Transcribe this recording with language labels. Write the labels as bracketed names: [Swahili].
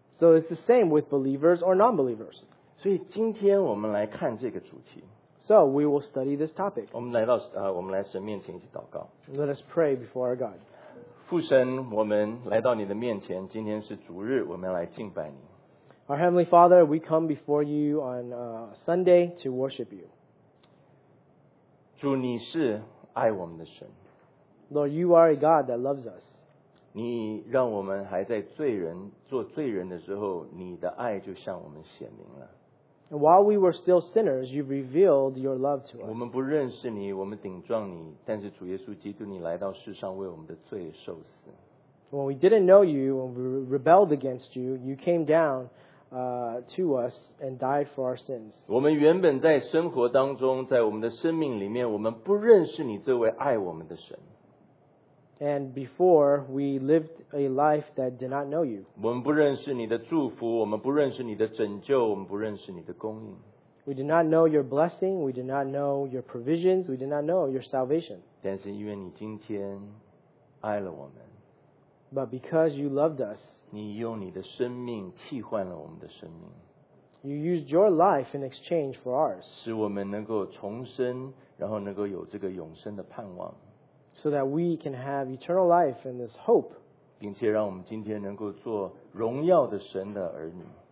[English] So it's the same with believers or non-believers. [Chinese] 所以今天我们来看这个主题。 [English] So we will study this topic. [Chinese] 我们来到我们来神面前一起祷告。 [English] Let us pray before our God. [Chinese] 父神，我们来到你的面前，今天是主日，我们来敬拜你。 [English] Our Heavenly Father, we come before you on Sunday to worship you. [Chinese] 主，你是爱我们的神。 [English] Lord, you are a God that loves us. [Chinese] 你让我们还在罪人做罪人的时候，你的爱就向我们显明了。 [English] While we were still sinners, you revealed your love to us. [Chinese] 我们不认识你，我们顶撞你，但是主耶稣基督，你来到世上为我们的罪受死。 [English] When we didn't know you, when we rebelled against you, you came down. To us and died for our sins. [Chinese] 我们原本在生活当中，在我们的生命里面，我们不认识你这位爱我们的神。 [English] And before we lived a life that did not know you. [Chinese] 我们不认识你的祝福，我们不认识你的拯救，我们不认识你的供应。 [English] We did not know your blessing. We did not know your provisions. We did not know your salvation. [Chinese] 但是因为你今天爱了我们。 [English] But because you loved us. [Chinese] 你用你的生命替换了我们的生命。 [English] You used your life in exchange for ours. [Chinese] 使我们能够重生，然后能够有这个永生的盼望。 [English] So that we can have eternal life and this hope. [Chinese] 并且让我们今天能够做荣耀的神的儿女。